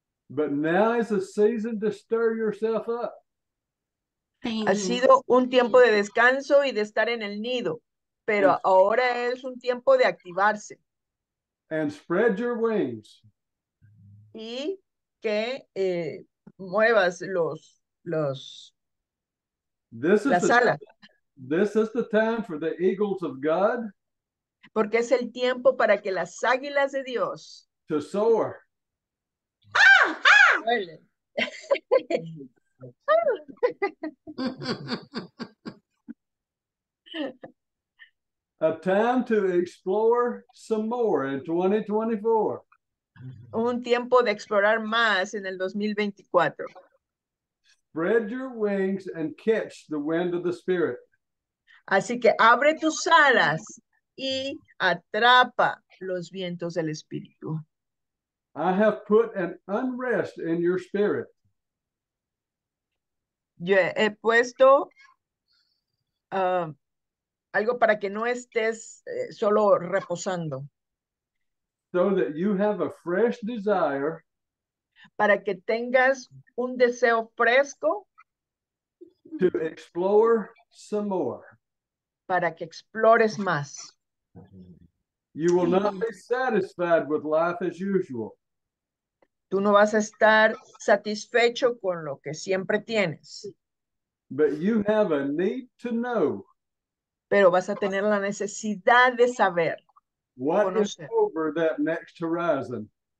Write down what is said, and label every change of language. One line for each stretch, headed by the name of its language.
English: But now is a season to stir yourself up.
Spanish: Ha sido un tiempo de descanso y de estar en el nido, pero ahora es un tiempo de activarse.
English: And spread your wings.
Spanish: Y que muevas los
English: this
Spanish: la sala.
English: This is the time for the eagles of God.
Spanish: Porque es el tiempo para que las águilas de Dios
English: to soar. A time to explore some more in 2024.
Spanish: Un tiempo de explorar más en el 2024.
English: Spread your wings and catch the wind of the Spirit.
Spanish: Así que abre tus alas y atrapa los vientos del Espíritu.
English: I have put an unrest in your spirit.
Spanish: Yo he puesto algo para que no estés solo reposando.
English: So that you have a fresh desire.
Spanish: Para que tengas un deseo fresco.
English: To explore some more.
Spanish: Para que explores más.
English: You will not be satisfied with life as usual.
Spanish: Tú no vas a estar satisfecho con lo que siempre tienes.
English: But you have a need to know.
Spanish: Pero vas a tener la necesidad de saber.
English: What is over that next horizon?